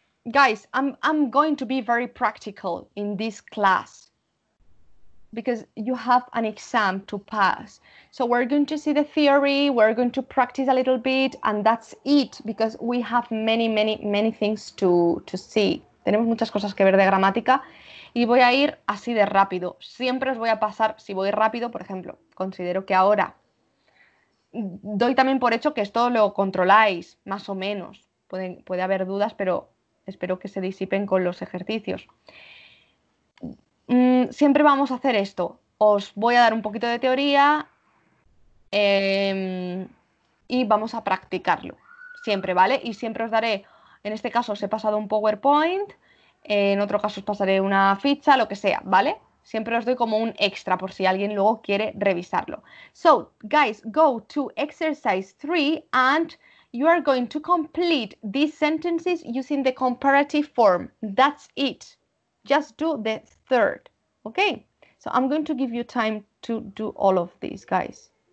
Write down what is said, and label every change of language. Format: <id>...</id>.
<en>Guys, I'm going to be very practical in this class. Because you have an exam to pass. So we're going to see the theory, we're going to practice a little bit, and that's it, because we have many, many, many things to see.</en> <es>Tenemos muchas cosas que ver de gramática, y voy a ir así de rápido. Siempre os voy a pasar, si voy rápido, por ejemplo, considero que ahora doy también por hecho que esto lo controláis, más o menos. Puede haber dudas, pero espero que se disipen con los ejercicios. Siempre vamos a hacer esto. Os voy a dar un poquito de teoría y vamos a practicarlo. Siempre, ¿vale? Y siempre os daré, en este caso os he pasado un PowerPoint, en otro caso os pasaré una ficha, lo que sea, ¿vale? Siempre os doy como un extra por si alguien luego quiere revisarlo.</es> <en>So, guys, go to exercise 3 and you are going to complete these sentences using the comparative form. That's it. Just do the third. Okay? So I'm going to give you time to do all of these, guys.</en>